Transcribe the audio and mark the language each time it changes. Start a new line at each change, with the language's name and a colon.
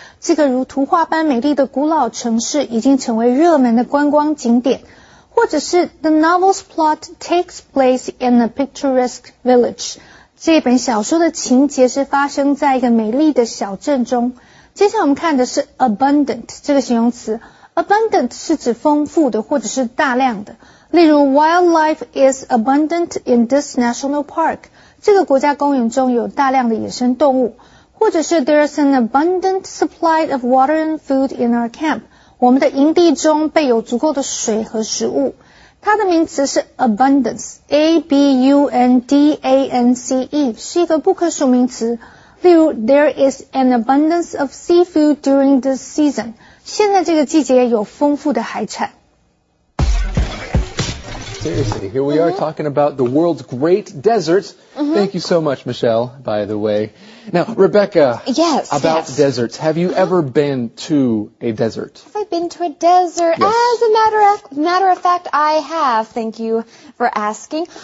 Chinese: 这个如图画般美丽的古老城市已经成为热门的观光景点。或者是
English: the novel's plot takes place in a picturesque village.
Chinese: 这本小说的情节是发生在一个美丽的小镇中。接下来我们看的是 abundant 这个形容词。abundant 是指丰富的或者是大量的。例如
English: wildlife is abundant in this national park.
Chinese: 这个国家公园中有大量的野生动物。或者是
English: there is an abundant supply of water and food in our camp.
Chinese: 我们的营地中备有足够的水和食物。它的名词是 abundance, A-B-U-N-D-A-N-C-E, 是一个不可数名词。例如
English: there is an abundance of seafood during this season.
Chinese: 现在这个季节有丰富的海产。
English: Seriously, here we are talking about the world's great deserts. Thank you so much, Michelle, by the way. Now, Rebecca, deserts, have you ever been to a desert? Have I been to a desert? Yes. As a matter of fact, I have. Thank you for asking.